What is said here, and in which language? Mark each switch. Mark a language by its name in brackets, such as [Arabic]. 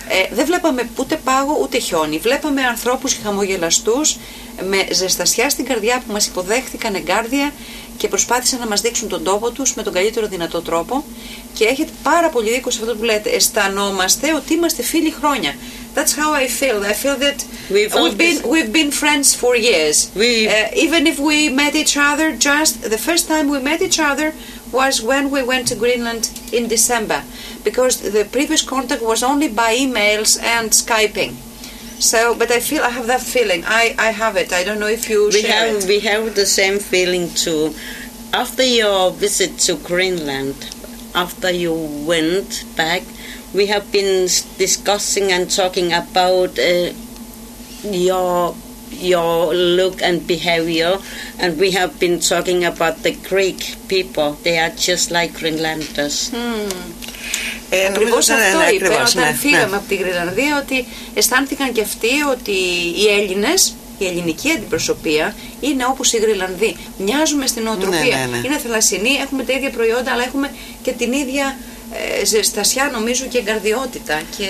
[Greek] Δεν βλέπαμε ούτε πάγο ούτε χιόνι. Βλέπαμε ανθρώπους χαμογελαστούς με ζεστασιά στην καρδιά που μας υποδέχτηκαν εγκάρδια και προσπάθησαν να μας δείξουν τον τόπο τους με τον καλύτερο δυνατό τρόπο. Και έχετε πάρα πολύ δίκιο σε αυτό που λέτε. Αισθανόμαστε ότι είμαστε φίλοι χρόνια. [English] That's how I feel. I feel that we've been friends for years. Even if we met each other, just the first time we met each other was when we went to Greenland in December, because the previous contact was only by emails and Skyping. So, but I feel I have that feeling. I have it. I don't know if you we share have it. We have the same feeling too. After your visit to Greenland, after you went back, we have been discussing and talking about your look and behavior, and we have been talking about the Greek people. They are just like Greenlanders. [Greek] Ακριβώς αυτό είπε όταν φύγαμε από τη Γρυλανδία, ότι αισθάνθηκαν και αυτοί ότι οι Έλληνες, η ελληνική αντιπροσωπεία, είναι όπως οι Γρυλανδοί. Μοιάζουμε στην νοοτροπία. Είναι θαλασσινοί, έχουμε τα ίδια προϊόντα, αλλά έχουμε και την ίδια ζεστασιά, νομίζω, και καρδιότητα.